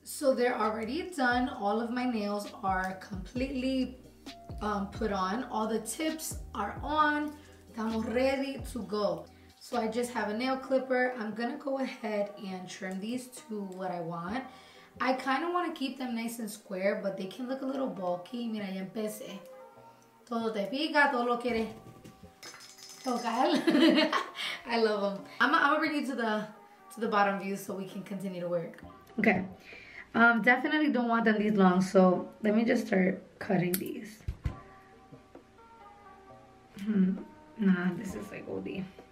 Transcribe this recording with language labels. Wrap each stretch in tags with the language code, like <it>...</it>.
<en>So they're already done, all of my nails are completely put on, all the tips are on, estamos ready to go. So I just have a nail clipper, I'm gonna go ahead and trim these to what I want. I kind of want to keep them nice and square, but they can look a little bulky.</en> <es>Mira, ya empecé. Todo te pica, todo lo quiere tocar.</es> <en>I love them. I'm gonna bring you to the bottom view so we can continue to work. Okay. Definitely don't want them these long, so let me just start cutting these. Nah, this is like OD.</en>